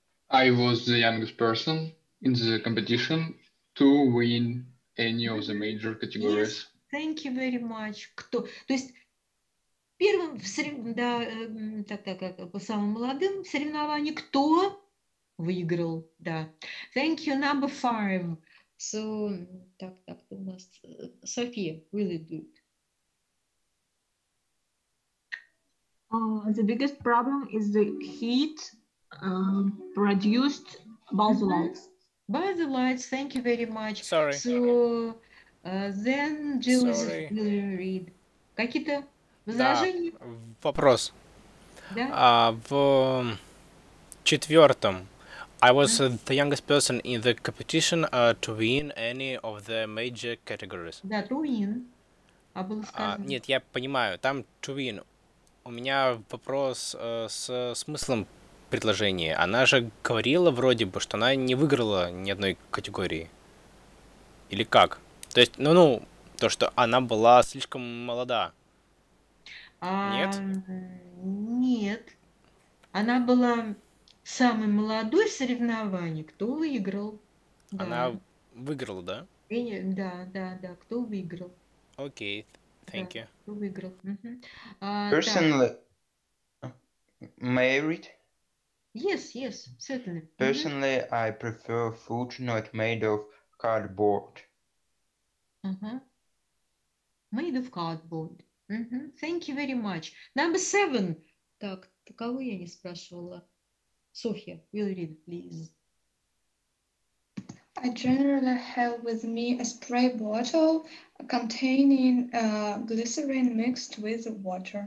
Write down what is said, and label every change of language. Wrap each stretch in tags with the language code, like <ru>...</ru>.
<en>I was the youngest person in the competition to win any of the major categories. Yes, thank you very much.</en> <ru>Кто? То есть первым в по самым молодым соревнованиям кто выиграл? Да.</ru> <en>Thank you. Number five. So,</en> <ru>так, у нас София,</ru> <en>will it do it? The biggest problem is the heat produced by the lights. By the lights, thank you very much. Sorry. So, then Jill will read.</en> <ru>Какие-то возражения? Да, вопрос. Да? В четвертом.</ru> <en>I was the youngest person in the competition to win any of the major categories.</en> <ru>Да,</ru> <en>to win.</en> <ru>А было сказано. Нет, я понимаю. Там</ru> <en>to win.</en> <ru>У меня вопрос с смыслом предложения. Она же говорила вроде бы, что она не выиграла ни одной категории. Или как? То есть, ну, то, что она была слишком молода. Нет? Нет. Она была... Самый молодой в соревновании, кто выиграл? Она выиграла, да? Да, кто выиграл? Окей,</ru> <en>thank you.</en> <ru>Кто выиграл?</ru> <en>Personally, may I read? Yes, certainly. Personally, I prefer food not made of cardboard. Made of cardboard. Thank you very much. Number seven.</en> <ru>Так, кого я не спрашивала?</ru> <en>Sophia, will you read it, please? I generally have with me a spray bottle containing glycerin mixed with water.</en>